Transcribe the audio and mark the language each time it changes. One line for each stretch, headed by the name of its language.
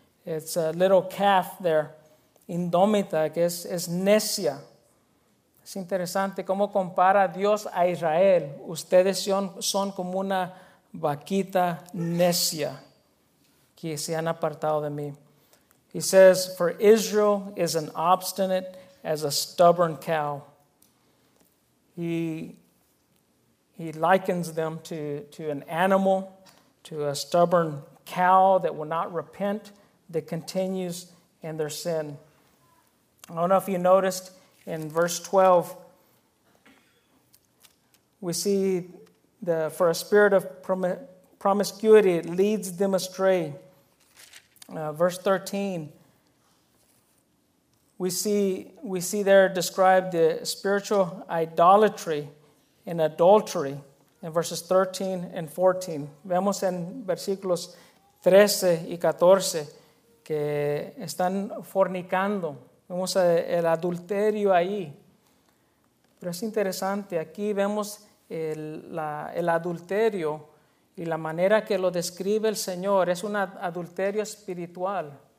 English: It's a little calf there,
Spanish: indómita, que es necia. Es interesante cómo compara Dios a Israel. Ustedes son como una vaquita necia que se han apartado de mí.
English: He says, for Israel is an obstinate as a stubborn cow. He likens them to an animal, to a stubborn cow that will not repent, that continues in their sin. I don't know if you noticed in verse 12, we see for a spirit of promiscuity it leads them astray. Verse 13, we see there described the spiritual idolatry and adultery in verses 13 and 14.
Spanish: Vemos en versículos 13 y 14 que están fornicando. Vemos el adulterio ahí. Pero es interesante, aquí vemos el adulterio y la manera que lo describe el Señor es un adulterio espiritual.